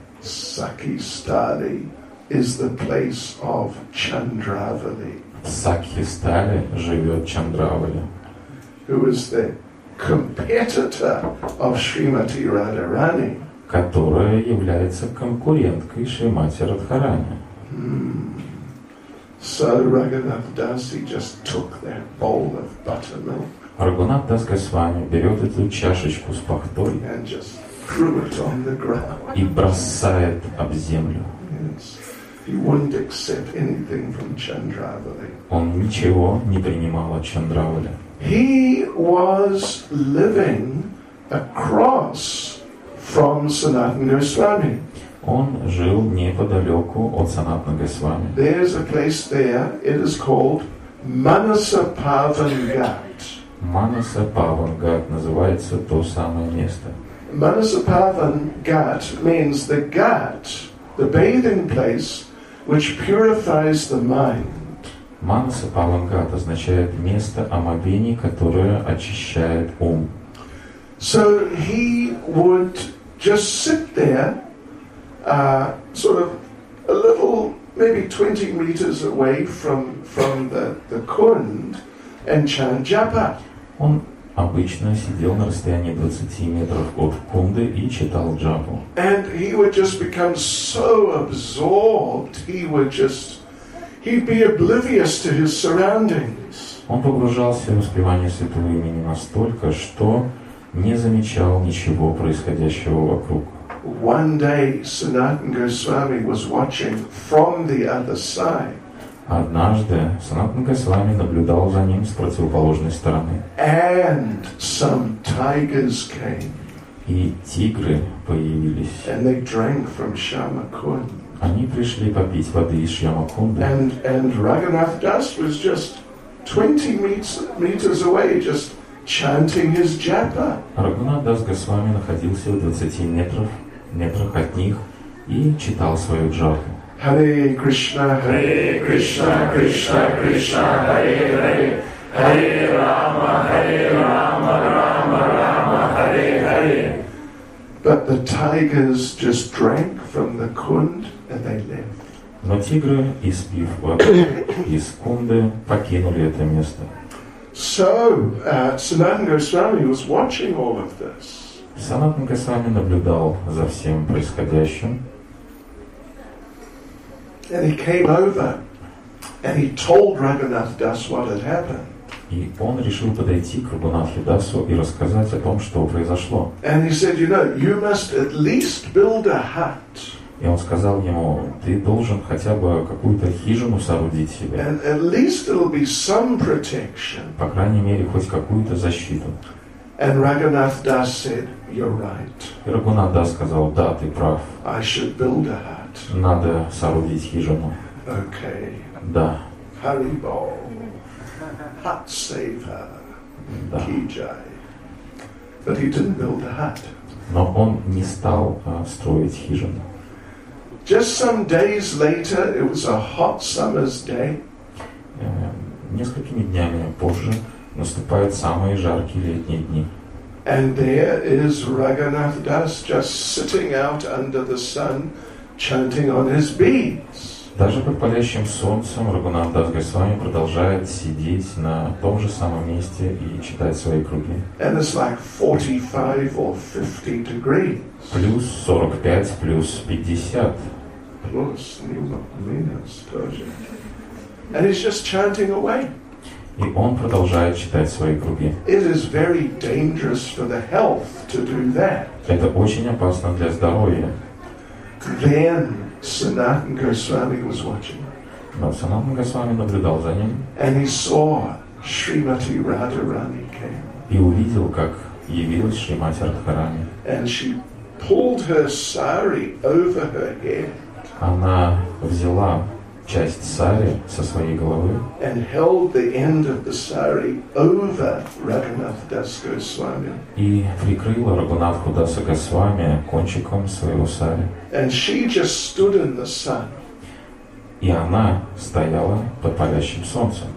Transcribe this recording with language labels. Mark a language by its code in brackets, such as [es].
[en] Sakhistali is the place of Chandravali. [ru] В Сакхистали живет Чандравали. [en] Who is the competitor of Srimati Radharani. [ru] Которая является конкуренткой Шримати Радхарани. [en] So Raghunath Das, he just took that bowl of buttermilk. [ru] Рагхунатх Дас Госвами берет эту чашечку с пахтой [en] and just threw it on the ground. [ru] И бросает об землю. [en] Yes. He wouldn't accept anything from Chandravali. [ru] Он ничего не принимал от Чандравали. [en] He was living across from Sanatana Goswami. [ru] Он жил неподалеку от Санатана Госвами. [en] There is a place there. It is called Manasa Pavangat. [ru] Manasa Pavangat называется то самое место. [en] Manasa Pavangat means the ghat, the bathing place, which purifies the mind. [ru] Manasa Pavangat означает место омовений, которое очищает ум. [en] So he would just sit there. Sort of a little, maybe 20 meters away from the kund, and chant japa. [ru] Он обычно сидел на расстоянии 20 метров от кунды и читал джапу. [en] And he would just become so absorbed, he'd be oblivious to his surroundings. [ru] Он погружался в воспевание святого имени настолько, что не замечал ничего происходящего вокруг. [en] One day Sanatan Goswami was watching from the other side. [ru] Однажды Санатан Госвами наблюдал за ним с противоположной стороны. [en] And some tigers came. [ru] И тигры появились. [en] And they drank from Shyamakund. [ru] Они пришли попить воды из Шьямакунды. [en] And Raghunath Das was just 20 meters away, just chanting his japa. [ru] Raghunath Das Goswami находился в 20 метрах от них и читал свою джапу. [sa] Hare Krishna, Hare Krishna, Krishna Krishna, Hare Hare, Hare Rama, Hare Rama, Rama Rama, Hare Hare. [en] But the tigers just drank from the kund and they left. [ru] Но тигры, испив воду из кунды, покинули это место. [en] So, Sanatan Goswami was watching all of this. [ru] Санатан Госвами наблюдал за всем происходящим. [en] And he came over and he told Raghunath Das what had happened. [ru] И он решил подойти к Рагунатхе Дасу и рассказать о том, что произошло. [en] And he said, you know, you must at least build a hut. [ru] И он сказал ему, ты должен хотя бы какую-то хижину соорудить себе. [en] And at least it'll be some protection. [ru] По крайней мере, хоть какую-то защиту. [en] And Raghunath Das said, you're right. [ru] И Рагунат Дас сказал, да, ты прав. [en] I should build a hut. [ru] Надо соорудить хижину. [en] Okay. [ru] Да. [en] Харибол. Hut saver. [ru] Да. [en] Kijai. But he didn't build a hut. [ru] Но он не стал строить хижину. [en] Just some days later, it was a hot summer's day. [ru] Несколькими днями позже наступают самые жаркие летние дни. [en] And there is Raghunath Das just sitting out under the sun, chanting on his beads. [ru] Даже под палящим солнцем Рагунат Дас Госвами продолжает сидеть на том же самом месте и читать свои круги. [en] And it's like 45 or 50 degrees. [ru] Плюс 45, плюс 50. Плюс, минус тоже. [en] And he's just chanting away. [ru] И он продолжает читать свои круги. [en] It is very dangerous for the health to do that. [ru] Это очень опасно для здоровья. [en] Then Sanatan Goswami was watching. [ru] Но Санатан Госвами наблюдал за ним. [en] And he saw Shrimati Radharani came. [ru] И увидел, как явилась Шримати Радхарани. [en] And she pulled her sari over her head. [ru] Она взяла часть сари со своей головы. [en] And held the end of the sari over Raghunath Das Goswami. [ru] И прикрыла Рагунатху Даса Госвами кончиком своего сари. [en] And she just stood in the sun. [ru] И она стояла под палящим солнцем.